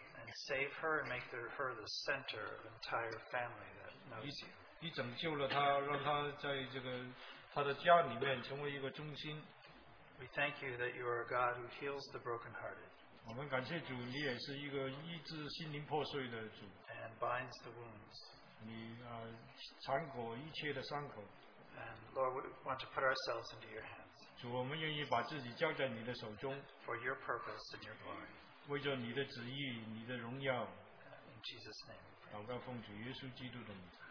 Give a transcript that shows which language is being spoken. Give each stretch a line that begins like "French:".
English: ？And save her and make her the center of an entire family that knows you.
Chinese: 你拯救了她，让她在这个。他的家里面成为一个中心。
English: We thank you that you are a God who heals the brokenhearted.
Chinese: 我们感谢主，你也是一个医治心灵破碎的主。
English: And binds the wounds.
Chinese: 你缠裹一切的伤口。
English: And Lord, we want to put ourselves into your hands.
Chinese: 主，我们愿意把自己交在你的手中。
English: For your purpose and your glory.
Chinese: 为着你的旨意，你的荣耀。
English: In Jesus' name.
Chinese: 祷告奉主耶稣基督的名。